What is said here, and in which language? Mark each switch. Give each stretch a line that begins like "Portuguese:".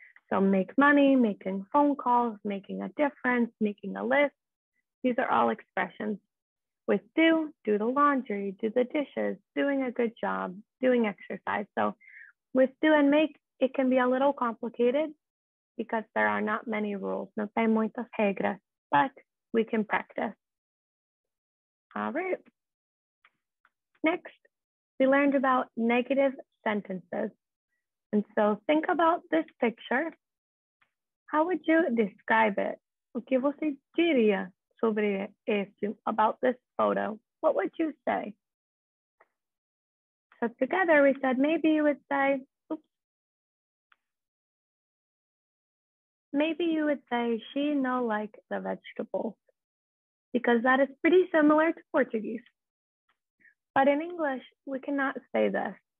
English: So make money, making phone calls, making a difference, making a list. These are all expressions. With do, do the laundry, do the dishes, doing a good job, doing exercise. So with do and make, it can be a little complicated because there are not many rules.
Portuguese: Não tem muitas regras, but we can practice.
English: All right. Next, we learned about negative sentences. And so think about this picture. How would you describe it?
Portuguese: O que você diria sobre isso, about this photo?
English: What would you say? So together we said, maybe you would say, oops. Maybe you would say, she no like the vegetables. Because that is pretty similar to Portuguese. But in English, we cannot say this.